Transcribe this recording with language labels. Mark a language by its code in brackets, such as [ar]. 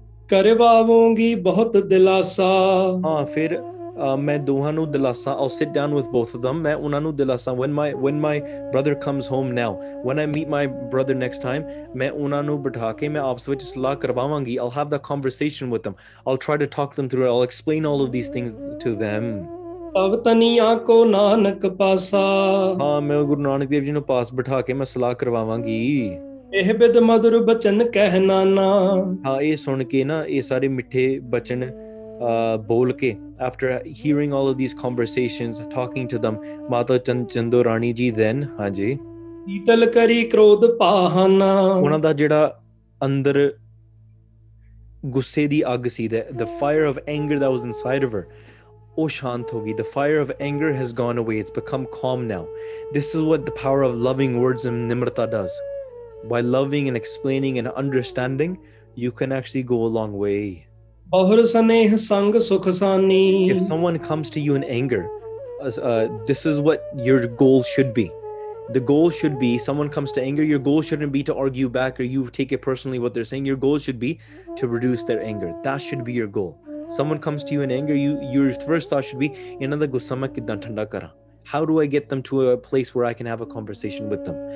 [pa] ਕਰਵਾਵਾਂਗੀ ਬਹੁਤ ਦਿਲਾਸਾ ਹਾਂ ਫਿਰ ਮੈਂ ਦੋਹਾਂ ਨੂੰ ਦਿਲਾਸਾ [en] I'll sit down with both of them [pa] ਮੈਂ ਉਹਨਾਂ ਨੂੰ ਦਿਲਾਸਾ [en] when my brother comes home now when I meet my brother next time [pa] ਮੈਂ ਉਹਨਾਂ ਨੂੰ ਬਿਠਾ ਕੇ ਮੈਂ ਆਪਸ ਵਿੱਚ ਸਲਾਹ ਕਰਵਾਵਾਂਗੀ [en] I'll have the conversation with them I'll try to talk them through it. I'll explain all of these things to them [pa] ਤਵ ਤਨੀਆ ਕੋ ਨਾਨਕ ਪਾਸਾ ਹਾਂ ਮੈਂ ਗੁਰੂ ਨਾਨਕ ਦੇਵ ਜੀ ਨੂੰ ਪਾਸ ਬਿਠਾ ਕੇ ਮੈਂ ਸਲਾਹ ਕਰਵਾਵਾਂਗੀ ਇਹ ਬਿਧ ਮਧੁਰ ਬਚਨ ਕਹਿ ਨਾਨਾ। ਹਾਂ, ਇਹ ਸੁਣ ਕੇ ਨਾ ਇਹ ਸਾਰੇ ਮਿੱਠੇ ਬਚਨ ਬੋਲ ਕੇ, [en] after hearing all of these conversations talking to them [pa] ਮਾਤਾ ਚੰਦੋ ਰਾਣੀ ਜੀ, [en] then [pa] ਹਾਂਜੀ ਸੀਤਲ ਕਰੀ ਕ੍ਰੋਧ ਪਾਹਨਾ। ਉਹਨਾਂ ਦਾ ਜਿਹੜਾ ਅੰਦਰ ਗੁੱਸੇ ਦੀ ਅੱਗ ਸੀ, [en] the fire of anger that was inside of her, [pa] ਉਹ ਸ਼ਾਂਤ ਹੋ ਗਈ। [en] The fire of anger has gone away, it's become calm now. This is what the power of loving words and ਨਿਮਰਤਾ does. By loving and explaining and understanding, you can actually go a long way. [pa] ਬਹੁਰ ਸਨੇਹ ਸੰਗ ਸੁਖ ਸਾਨੀ। [en] If someone comes to you in anger, this is what your goal should be. The goal should be, someone comes to anger, your goal shouldn't be to argue back or you take it personally what they're saying. Your goal should be to reduce their anger. That should be your goal. Someone comes to you in anger, your first thought should be, [pa] inanda gussama kiddan thanda kara, [en] how do I get them to a place where I can have a conversation with them?